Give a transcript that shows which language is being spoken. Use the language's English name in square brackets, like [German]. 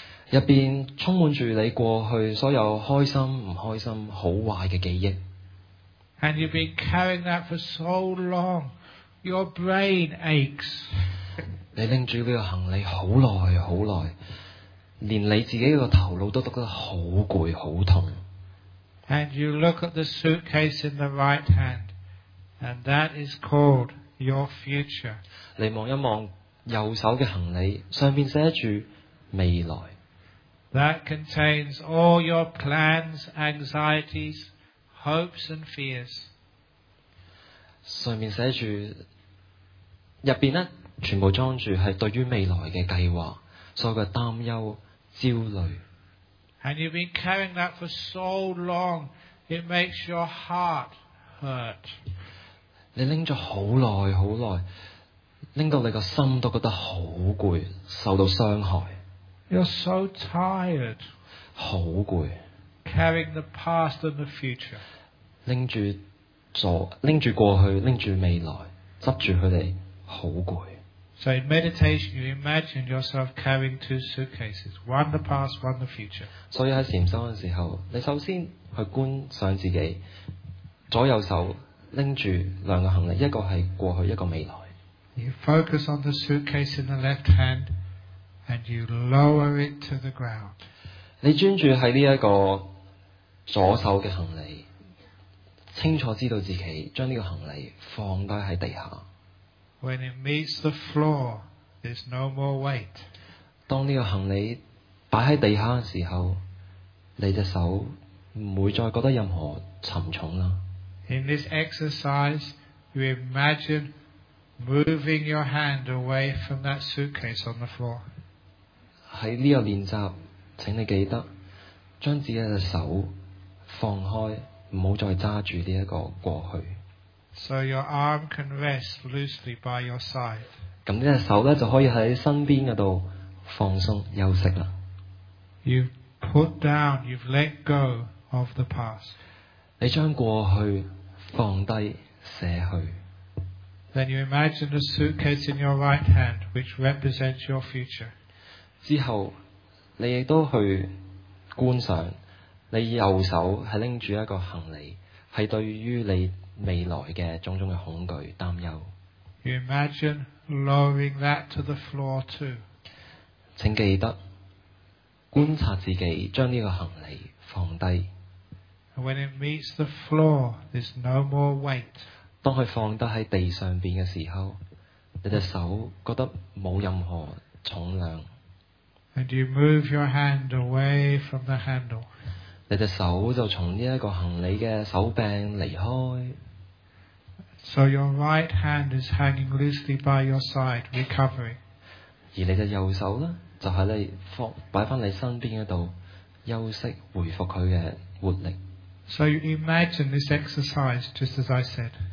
[Cantonese] 入边充满住你过去所有开心、唔开心、好坏嘅记忆。 [English] And you've been carrying that for so long. Your brain aches. [Cantonese] 你拎住呢个行李好耐好耐，连你自己个头脑都觉得好攰好痛。 [English] And you look at the suitcase in the right hand, and that is called your future. [Cantonese] 你望一望右手嘅行李，上面写住未来。 [English] That contains all your plans, anxieties, hopes and fears. [Cantonese] 上面写住，入边咧全部装住系对于未来嘅计划，所有嘅担忧、焦虑。 [English] And you've been carrying that for so long, it makes your heart hurt. [Cantonese] 你拎咗好耐好耐，拎到你个心都觉得好攰，受到伤害。 [English] You're so tired. [Cantonese] 好攰。 [English] Carrying the past and the future. [Cantonese] 拎住。拎住过去，拎住未来，执住佢哋，好攰。 [English] So in meditation, you imagine yourself carrying two suitcases, one the past, one the future. [Cantonese] 所以喺禅修嘅时候，你首先去观赏自己左右手拎住两个行李，一个系过去，一个未来。 [English] You focus on the suitcase in the left hand, and you lower it to the ground. [Cantonese] 你专注喺呢一个左手嘅行李。清楚知道自己将呢个行李放低喺地下。 [English] When it meets the floor, there's no more weight. [Cantonese] 当呢个行李摆喺地下嘅时候，你只手唔會再覺得任何沉重啦。 [English] In this exercise, you imagine moving your hand away from that suitcase on the floor. [Cantonese] 喺呢個練習，請你記得將自己嘅手放開，唔好再揸住呢一個過去。 [English] So your arm can rest loosely by your side. [Cantonese] 咁呢隻手咧就可以喺身邊嗰度放鬆休息啦。 [English] You've put down, you've let go of the past. [Cantonese] 你將過去放低捨去。 [English] Then you imagine a suitcase in your right hand, which represents your future. [Cantonese] 之後你亦都去觀想，你右手係拎住一個行李，係對於你未來嘅種種嘅恐懼擔憂。 [English] You imagine lowering that to the floor too. [Cantonese] 請記得觀察自己將呢個行李放低。 [English] When it meets the floor, there's no more weight. [Cantonese] 當佢放得喺地上邊嘅時候，你隻手覺得冇任何重量。 [English] And you move your hand away from the handle. [Cantonese] 你隻手就從呢一個行李嘅手柄離開。 [English] So your right hand is hanging loosely by your side, recovering. [Cantonese] 而你隻右手咧，就喺你放擺翻你身邊嗰度休息，回復佢嘅活力。 [English] So you imagine this exercise just as I said.